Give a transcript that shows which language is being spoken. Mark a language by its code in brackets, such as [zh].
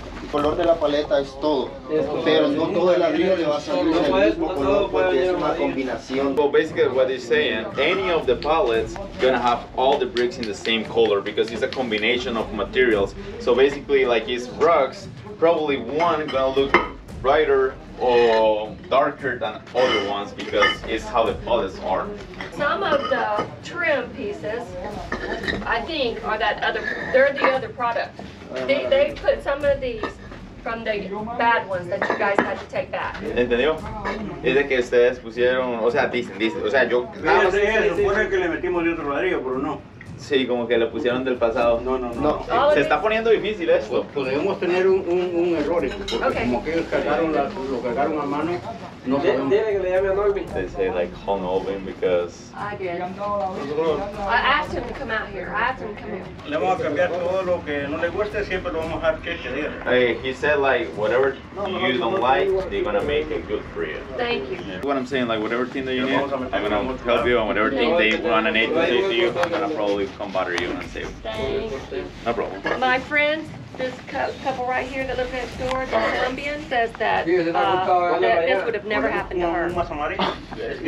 [es] El color de la paleta es todo, pero no todo el ladrillo le va a salir el mismo color porque es una combinación. [en] Well, basically, what he's saying, any of the palettes gonna have all the bricks in the same color because it's a combination of materials. So basically, like his rocks, probably one gonna look brighter or darker than other ones because it's how the palettes are. Some of the trim pieces, I think, are that other, they're the other product. They put some of these from the bad ones that you guys had to take back. [es] ¿Entendió? Es de que ustedes pusieron, o sea, dicen, o sea, yo... Sí, sí, sí, supone que le metimos de otro ladrillo, pero no. Sí, como que le pusieron del pasado. No. Se está poniendo difícil eso. Podemos tener un error, porque como que ellos cargaron lo cargaron a mano. No sabemos. [en] They say like hung open because. I did. I asked him to come out here. I asked him to come here. [es] Le vamos a cambiar todo lo que no le guste, siempre lo vamos a dejar que quede. [en] Hey, he said like whatever you don't like, they're gonna make it good for you. Thank you. Yeah. What I'm saying, like whatever thing that you need, I'm gonna help you, and whatever thing they want to need to say to you, I'm gonna probably come bother you and say no problem. My friend, this couple right here that lives next door, the Colombian, says that this would have never happened to her.